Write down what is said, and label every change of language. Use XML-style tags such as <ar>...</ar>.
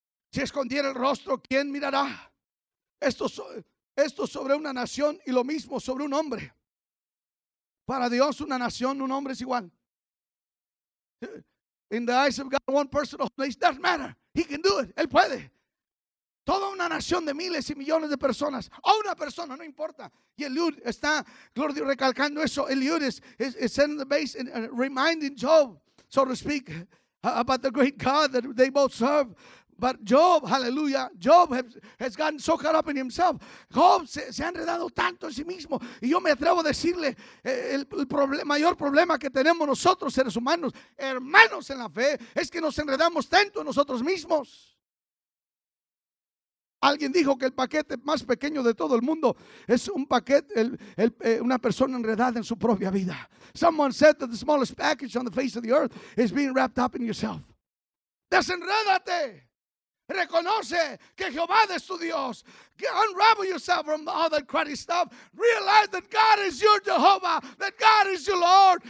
<es>Si escondiera el rostro, ¿quién mirará? Esto sobre una nación y lo mismo sobre un hombre. Para Dios, una nación, un hombre es igual.</es> <en>In the eyes of God, one person of place, doesn't matter. He can do it.</en> <es>Él puede. Toda una nación de miles y millones de personas, o una persona, no importa. Y Eliud está, Gloria, recalcando eso.</es> <en>Eliud is setting the base and reminding Job, so to speak, about the great God that they both serve. But Job, hallelujah, Job has gotten so caught up in himself.</en> <es>Job se ha enredado tanto en sí mismo. Y yo me atrevo a decirle, mayor problema que tenemos nosotros seres humanos, hermanos en la fe, es que nos enredamos tanto en nosotros mismos. Alguien dijo que el paquete más pequeño de todo el mundo es un paquete, una persona enredada en su propia vida. Someone said that the smallest package on the face of the earth is being wrapped up in yourself. Desenrédate. Reconoce que Jehová es tu Dios.</es> <en>Unravel yourself from all that cruddy stuff. Realize that God is your Jehovah, that God is your Lord.</en>